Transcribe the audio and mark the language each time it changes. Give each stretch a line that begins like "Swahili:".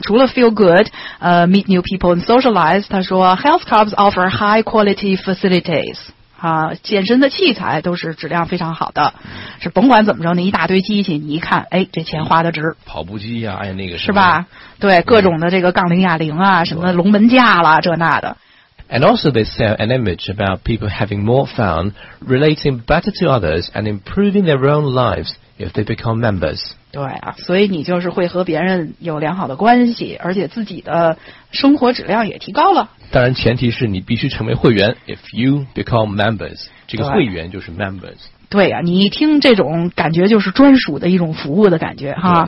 Chinese: 除了
English: feel good， meet new people and socialize，
Chinese: 他说
English: health clubs offer high quality facilities。
Chinese: 啊，健身的器材都是质量非常好的，是甭管怎么着，那一大堆机器，你一看，哎，这钱花的值。跑步机呀、啊，哎，那个是吧？对，各种的这个杠铃、哑铃啊，什么龙门架啦，这那的。
English: And also, they sell an image about people having more fun, relating better to others, and improving their own lives if they become members.
Chinese: 对啊，所以你就是会和别人有良好的关系，而且自己的生活质量也提高了。当然前提是你必须成为会员
English: if you become members，
Chinese: 这个会员就是 members。对啊，你一听这种感觉就是专属的一种服务的感觉哈，